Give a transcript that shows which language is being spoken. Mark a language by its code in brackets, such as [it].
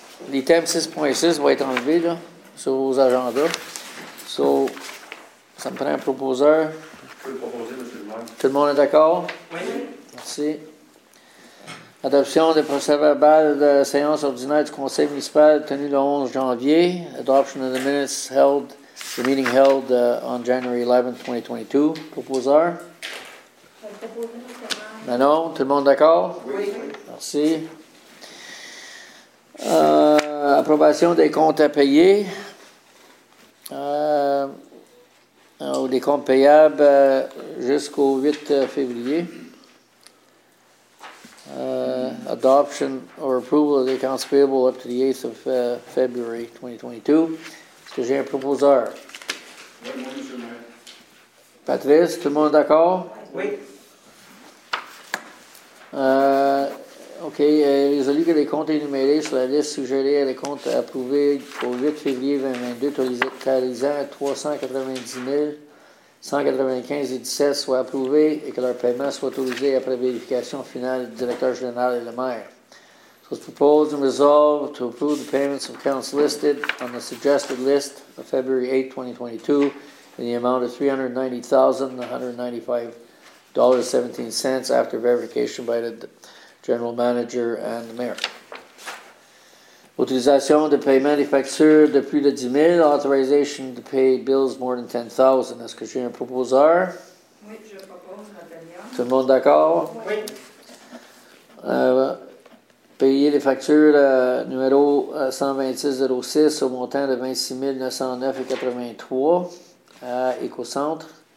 [fr] L'item 6.6 va être enlevé là, sur vos agendas. So, ça me prend un proposeur. Je peux le proposer, monsieur le maire. Tout le monde est d'accord? Oui. Merci. Adoption des procès-verbales de séance ordinaire du conseil municipal tenu le 11 janvier. [en] Adoption of the minutes held, the meeting held on January 11, 2022. [fr] Proposeur? Ben non, tout le monde d'accord? Oui. Merci. Approbation des comptes à payer. Ou des comptes payables jusqu'au 8 février. [en] Adoption or approval of the accounts payable up to the 8th of February 2022. [fr] Est-ce que j'ai un proposeur? Oui, monsieur le maire. Patrice, tout le monde d'accord? Oui. OK. Résolu que les comptes énumérés sur la liste suggérée à les comptes approuvés au 8 février 2022, totalisant 390 195 et 17 soient approuvés et que leur paiement soit autorisé après vérification finale du directeur général et le maire. [en] So, it's proposed and resolved to approve the payments of accounts listed on the suggested list of February 8, 2022 in the amount of $390,195.17 after verification by the general manager and the mayor. [fr] Autorisation de paiement des factures de plus de 10 000. [en] Authorization to pay bills more than 10,000. [fr] Est-ce que j'ai un proposeur? Oui, je propose, Nathalie. Tout le monde d'accord? Oui. Payer les factures numéro 126-06 au montant de 26 909,83 à Écocentre.